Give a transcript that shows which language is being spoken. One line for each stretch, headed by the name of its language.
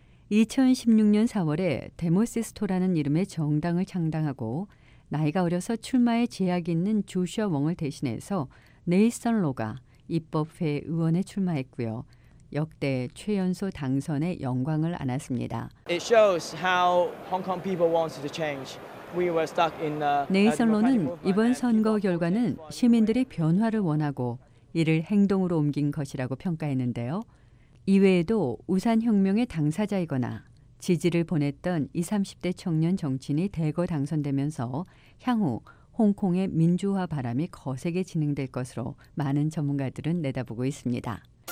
Korean: 2016년 4월에 데모시스토라는 이름의 정당을 창당하고 나이가 어려서 출마에 제약이 있는 조슈아 웡을 대신해서 네이선 로가 입법회 의원에 출마했고요. 역대 최연소 당선의 영광을 안았습니다.
English: It shows how Hong Kong people wants to change. We were stuck in the
Korean: 네이선 로는 이번 선거 결과는 시민들이 변화를 원하고 이를 행동으로 옮긴 것이라고 평가했는데요. 이외에도 우산혁명의 당사자이거나 지지를 보냈던 20, 30대 청년 정치인이 대거 당선되면서 향후 홍콩의 민주화 바람이 거세게 진행될 것으로 많은 전문가들은 내다보고 있습니다.